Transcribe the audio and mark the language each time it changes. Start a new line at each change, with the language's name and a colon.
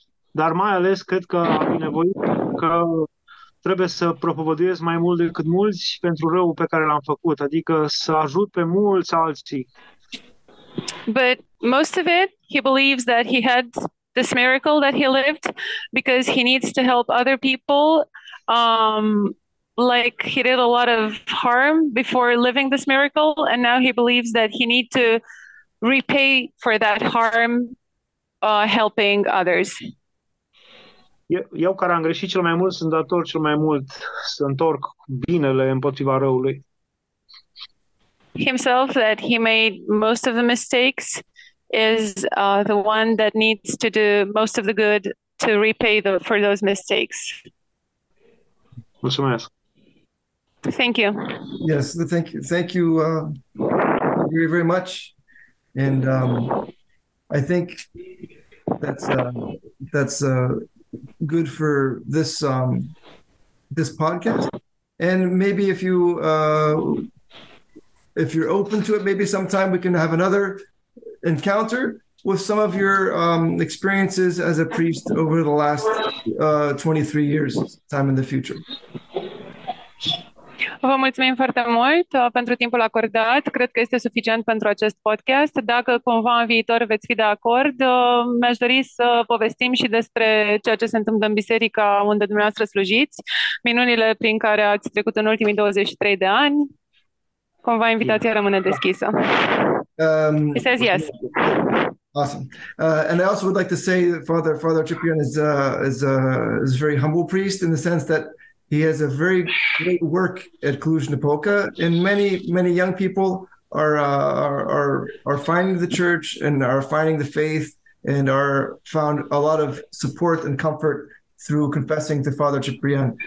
Romanian: Dar mai ales cred că a binevoit că trebuie să propovăduiesc mai mult decât mulți pentru răul pe care l-am făcut, adică să ajut pe mulți alții.
English: But most of it, he believes that he had this miracle that he lived because he needs to help other people, like he did a lot of harm before living this miracle, and now he believes that he need to repay for that harm helping others.
Romanian: Eu care am greșit cel mai mult, sunt dator cel mai mult să întorc binele împotriva răului.
English: Himself, that he made most of the mistakes, is the one that needs to do most of the good to repay for those mistakes.
Romanian: Mulțumesc.
English: Thank you. Yes, thank you very, very much. And I think that's good for this this podcast. And maybe if you're open to it, maybe sometime we can have another encounter with some of your experiences as a priest over the last 23 years, time in the future.
Romanian: Vă mulțumim foarte mult pentru timpul acordat. Cred că este suficient pentru acest podcast. Dacă cumva în viitor veți fi de acord, mi-aș dori să povestim și despre ceea ce se întâmplă în biserica unde dumneavoastră slujiți, minunile prin care ați trecut în ultimii 23 de ani. Cumva invitația rămâne deschisă.
English: He says yes. Awesome. And I also would like to say that Father Ciprian is a very humble priest in the sense that he has a very great work at Cluj-Napoca, and many, many young people are finding the church and are finding the faith and are found a lot of support and comfort through confessing to Father Ciprian.